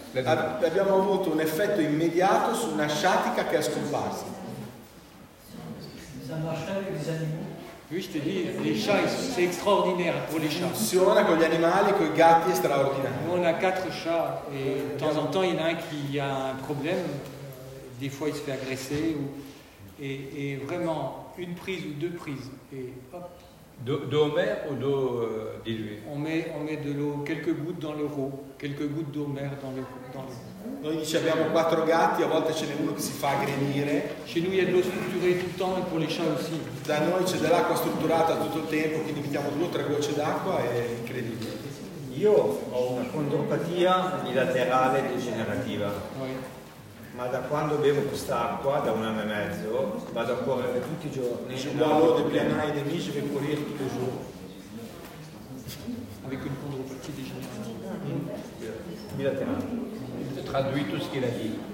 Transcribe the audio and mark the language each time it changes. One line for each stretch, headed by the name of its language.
Italian: Abbiamo avuto un effetto immediato su una sciatica che è scomparsa.
French: Ça marche avec les animaux. Oui, je te dis, les chats, c'est extraordinaire pour les chats.
Italian: Funziona con gli animali, con i gatti è straordinario.
French: On a quatre chats et de temps en temps il y en a un qui a un problème. Des fois il se fait agresser ou et vraiment une prise ou deux prises et hop. D'eau mer ou d'eau diluée? On met de l'eau, quelques gouttes dans l'eau, quelques gouttes d'eau mer dans l'eau.
Italian: Noi ci abbiamo quattro gatti, a volte ce n'è uno che si fa aggredire.
French: Chez nous il y a de l'eau structurée tout le temps et pour les chats aussi.
Italian: Da noi c'è dell'acqua strutturata tutto il tempo, quindi mettiamo due o tre gocce d'acqua, è incredibile. Io ho una condropatia bilaterale degenerativa. Oui. Ma da quando bevo questa acqua, da un anno e mezzo, vado a correre tutti i giorni.
French: Je bois l'eau de Blenheim et Mie, je vais courir tous les jours. Avec une condropatia degenerativa.
Italian: Bilaterale.
French: Traduit tout ce qu'il a dit.